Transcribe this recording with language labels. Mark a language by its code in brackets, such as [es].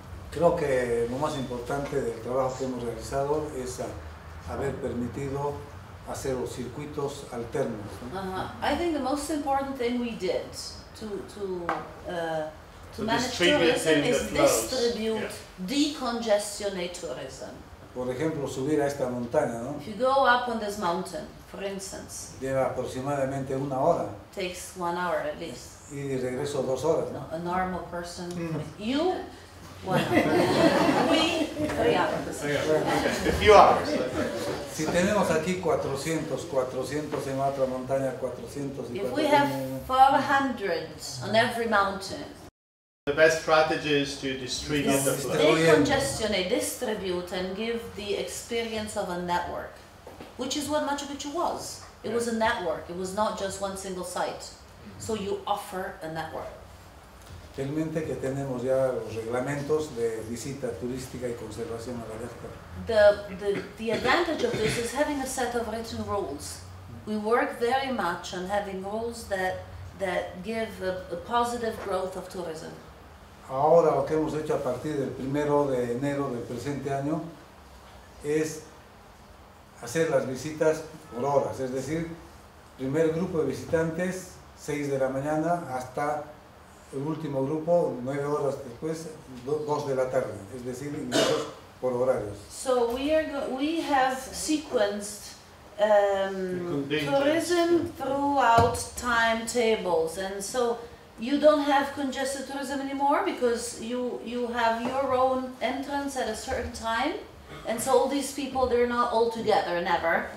[es] Creo que lo más importante del trabajo que hemos realizado es haber permitido hacer los circuitos alternos. [en] I think the most important thing we did to manage tourism is distribute, decongestionate tourism. [es] Por ejemplo, subir a esta montaña, ¿no? [en] If you go up on this mountain, for instance, [es] lleva aproximadamente una hora. [en] Takes 1 hour at least. [es] Y de regreso 2 horas, ¿no? [en] A normal person, you, 1 hour. We, 3 hours. A few hours. [es] Si tenemos aquí 400 en otra montaña, 400 y 400. [en] If we have 400 on every mountain, the best strategy is to distribute the flow. Decongestionate, distribute, and give the experience of a network, which is what Machu Picchu was. It was a network. It was not just one single site. So you offer a network. [es] Realmente que tenemos ya los reglamentos de visita turística y conservación a la época. [en] The advantage of this is having a set of written rules. We work very much on having rules that give a positive growth of tourism. [es] Ahora lo que hemos hecho a partir del 1 de enero del presente año es hacer las visitas por horas, es decir, primer grupo de visitantes 6 de la mañana hasta el último grupo 9 horas después 2 de la tarde, es decir, ingresos por horarios. [en] So we have sequenced tourism throughout timetables, and so you don't have congested tourism anymore because you have your own entrance at a certain time, and so all these people, they're not all together never.